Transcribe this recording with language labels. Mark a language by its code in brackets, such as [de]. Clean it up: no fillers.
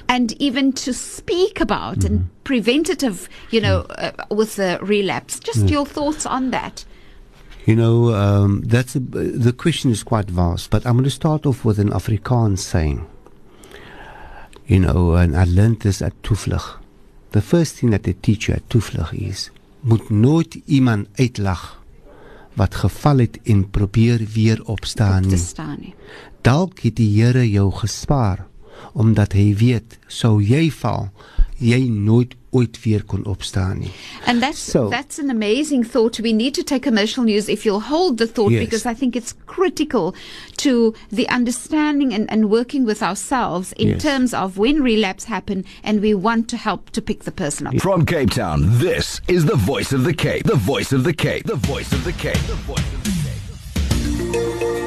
[en] and even to speak about and preventative, you know, with the relapse. Just your thoughts on that. You know, that's the question is quite vast, but I'm going to start off with an Afrikaans saying. You know, and I learned this at Tuflig. The first thing that they teach you at Tuflig is, [af] moet nooit iemand uitlach wat geval het en probeer weer opstaan nie. Dalk het die Here jou gespaar, omdat hy weet, sou jy val, jy nooit ooit weer kon opstaan nie. [en] And that's an amazing thought. We need to take commercial news, if you'll hold the thought, yes, because I think it's critical to the understanding and working with ourselves in yes terms of when relapse happen and we want to help to pick the person up. From Cape Town, this is the Voice of the Cape. The Voice of the Cape. The Voice of the Cape. The Voice of the Cape.